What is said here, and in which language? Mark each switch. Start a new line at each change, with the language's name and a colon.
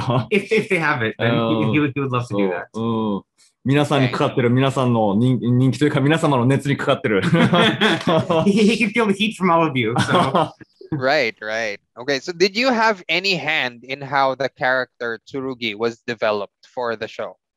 English: If they have it, then he would love to do that.
Japanese: 皆さんにかかってる、皆さんの人気というか、皆様の熱にかかってる。
English: He can feel the heat from all of you. So. Right. Okay, so did you have any hand in how the character Tsurugi was developed for the show?